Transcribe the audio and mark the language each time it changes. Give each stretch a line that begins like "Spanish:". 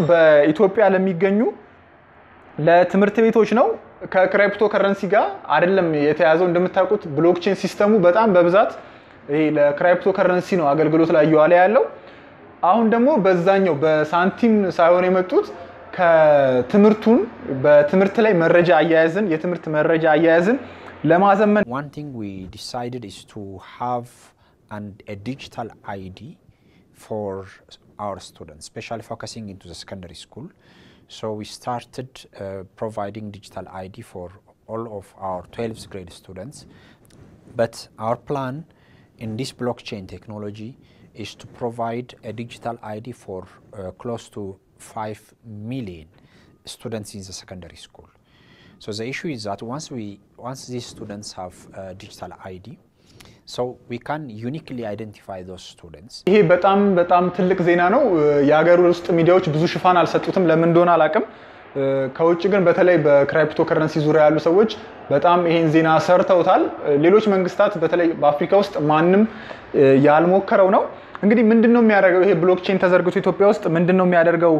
Amharic: በኢትዮጵያ ለሚገኙ ለትምህርት ቤቶች ነው። ከክሪፕቶ ከረንሲ ጋር አይደለም የተያዘው። እንደምታውቁት ብሎክቼን ሲስተሙ በጣም በብዛት ይሄ ለክሪፕቶ ከረንሲ ነው አገልግሎት ላይ እየዋለ ያለው። አሁን ደግሞ በዛኛው በሳንቲም ሳይሆን የመጡት ከትምህርቱን በትምህርት ላይ መረጃ አያያዝን የትምህርት መረጃ አያያዝን ለማዘመን
English: one thing we decided is to have a digital ID for our students, especially focusing into the secondary school. So we started providing digital ID for all of our 12th grade students. But our plan in this blockchain technology is to provide a digital ID for close to 5 million students in the secondary school. So the issue is that once these students have a digital ID, so we can uniquely identify those students.
Amharic: ይሄ በጣም በጣም ትልቅ ዜና ነው። የሀገር ውስጥ ሚዲያዎች ብዙ ሽፋን አልሰጡትም ለምን እንደሆነ አላቅም። ከውጭ ግን በተለይ በክሪፕቶ ከረንሲ ዙሪያ ያሉ ሰዎች በጣም ይሄን ዜና ሰርተውታል። ሌሎች መንግስታት በተለይ በአፍሪካ ውስጥ ማንንም ያልሞከረው ነው። እንግዲህ ምንድነው የሚያደርገው ይሄ ብሎክቼን ተዘርግቶ ኢትዮጵያ ውስጥ ምንድነው የሚያደርገው?